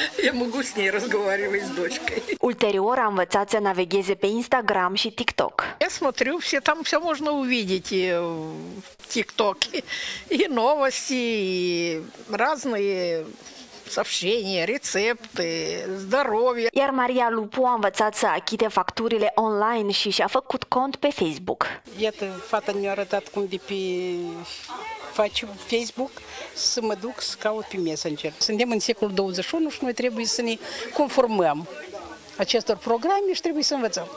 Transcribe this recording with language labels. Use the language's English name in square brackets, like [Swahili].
[Russian] Я могу с ней разговаривать с дочкой. [Romanian] Ulterior a învățat să navigheze pe Instagram și TikTok. [Russian] Я смотрю, все там все можно увидеть в ТикТоке. И новости, и разные сообщения, рецепты, здоровье. [Romanian] Iar Maria Lupu a învățat să achite facturile online și și-a făcut cont pe Facebook. Iată, fata mi-a arătat cum de pe faci Facebook să mă duc să caut pe Messenger. Suntem în secolul 21 și noi trebuie să ne conformăm acestor programe și trebuie să învățăm.